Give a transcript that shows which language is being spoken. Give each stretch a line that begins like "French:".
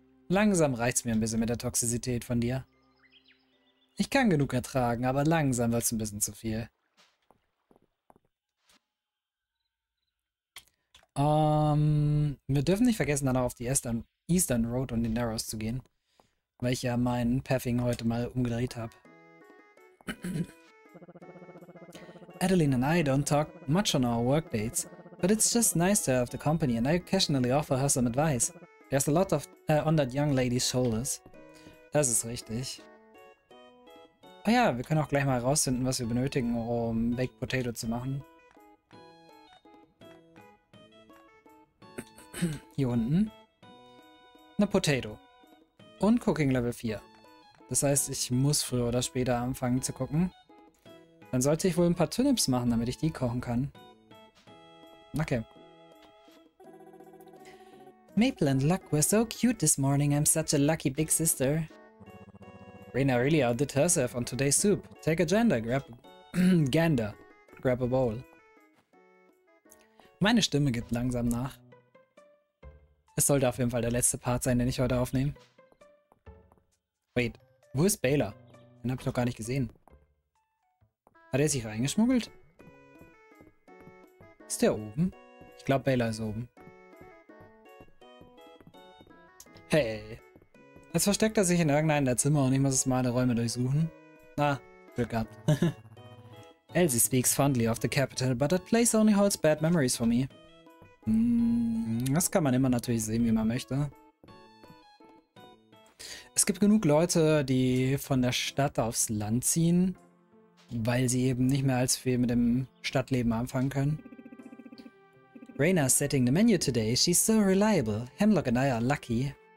German: Langsam reicht's mir ein bisschen mit der Toxizität von dir. Ich kann genug ertragen, aber langsam wird's ein bisschen zu viel. Wir dürfen nicht vergessen, dann auch auf die Eastern Road und die Narrows zu gehen. Weil ich ja meinen Pathing heute mal umgedreht habe.
English: Adeline and I don't talk much on our work dates, but it's just nice to have the company and I occasionally offer her some advice. There's a lot of on that young lady's shoulders.
German: Das ist richtig. Oh ja, wir können auch gleich mal rausfinden, was wir benötigen, um Baked Potato zu machen. Hier unten. Eine Potato. Und Cooking Level 4. Das heißt, ich muss früher oder später anfangen zu gucken. Dann sollte ich wohl ein paar Turnips machen, damit ich die kochen kann. Okay.
English: Maple and Luck were so cute this morning. I'm such a lucky big sister. Rena really outdid herself on today's soup. Take a gander, grab a bowl.
German: Meine Stimme gibt langsam nach. Es sollte auf jeden Fall der letzte Part sein, den ich heute aufnehme. Wait, wo ist Baylor? Den hab ich noch gar nicht gesehen. Hat er sich reingeschmuggelt? Ist der oben? Ich glaube, Baylor ist oben. Hey. Jetzt versteckt er sich in irgendeinem der Zimmer und ich muss es mal alle Räume durchsuchen. Na, Glück gehabt.
English: Elsie speaks fondly of the capital, but that place only holds bad memories for me.
German: Das kann man immer natürlich sehen, wie man möchte. Es gibt genug Leute, die von der Stadt aufs Land ziehen, weil sie eben nicht mehr als viel mit dem Stadtleben anfangen können.
English: Raina is setting the menu today. She's so reliable. Hemlock and I are lucky.